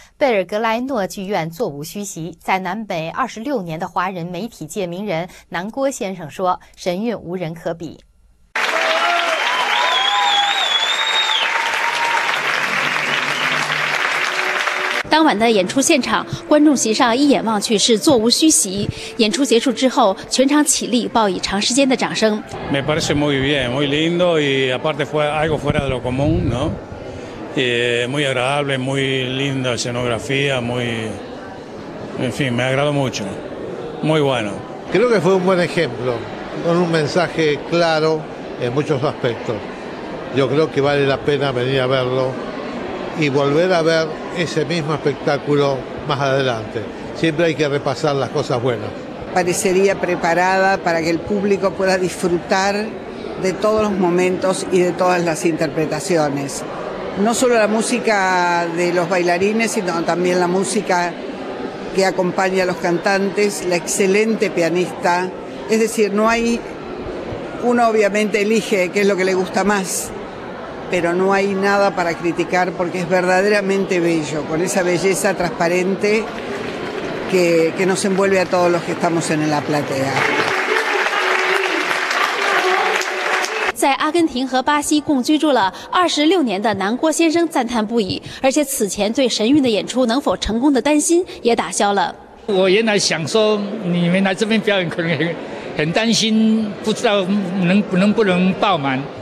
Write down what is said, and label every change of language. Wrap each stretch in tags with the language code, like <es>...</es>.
<zh>贝尔格莱诺剧院座无虚席。在南美26年的华人媒体界名人南郭先生说：“神韵无人可比。” 当晚的演出现场，观众席上一眼望去是座无虚席。演出结束之后，全场起立，报以长时间的掌声。</zh> <es>Me parece muy bien, muy lindo y aparte fue algo fuera de lo común, ¿no? Muy agradable, muy linda escenografía, muy, en fin, me agradó mucho, muy bueno. Creo que fue un buen ejemplo, con un mensaje claro en muchos aspectos. Yo creo que vale la pena venir a verlo. Y volver a ver ese mismo espectáculo más adelante. Siempre hay que repasar las cosas buenas. Parecería preparada para que el público pueda disfrutar de todos los momentos y de todas las interpretaciones. No solo la música de los bailarines, sino también la música que acompaña a los cantantes, la excelente pianista. Es decir, no hay... Uno obviamente elige qué es lo que le gusta más. Pero no hay nada para criticar porque es verdaderamente bello, con esa belleza transparente que nos envuelve a todos los que estamos en la platea.</es> <zh>在阿根廷和巴西共居住了26年的南郭先生赞叹不已，而且此前对神韵的演出能否成功的担心也打消了。我原来想说，你们来这边表演可能很担心，不知道能不能爆满。</zh>